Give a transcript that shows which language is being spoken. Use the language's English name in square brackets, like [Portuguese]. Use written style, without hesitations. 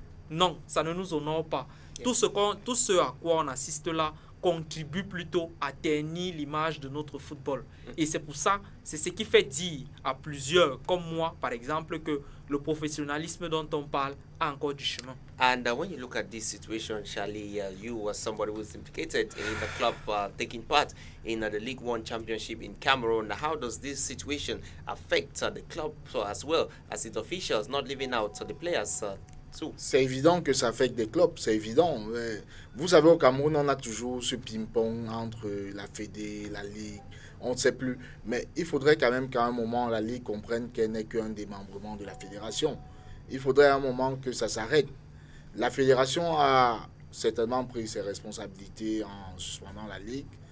[French] Non, ça ne nous honore pas. Tout ce à quoi on assiste là contribue plutôt à ternir l'image de notre football. Et c'est pour ça, c'est ce qui fait dire à plusieurs, comme moi par exemple, que le professionnalisme dont on parle a encore du chemin. [English] And when you look at this situation, Charlie, you were somebody who was implicated in the club taking part in the League One Championship in Cameroon. How does this situation affect the club as well as its officials not leaving out the players too? [French] C'est évident que ça affecte des clubs, c'est évident. Vous savez, au Cameroun, on a toujours ce ping-pong entre la Fédé, la Ligue. on ne sait plus. Mais il faudrait quand même qu'à un moment, la Ligue comprenne qu'elle n'est qu'un démembrement de la fédération. Il faudrait à un moment que ça s'arrête. La fédération a certainement pris ses responsabilités en suspendant la Ligue.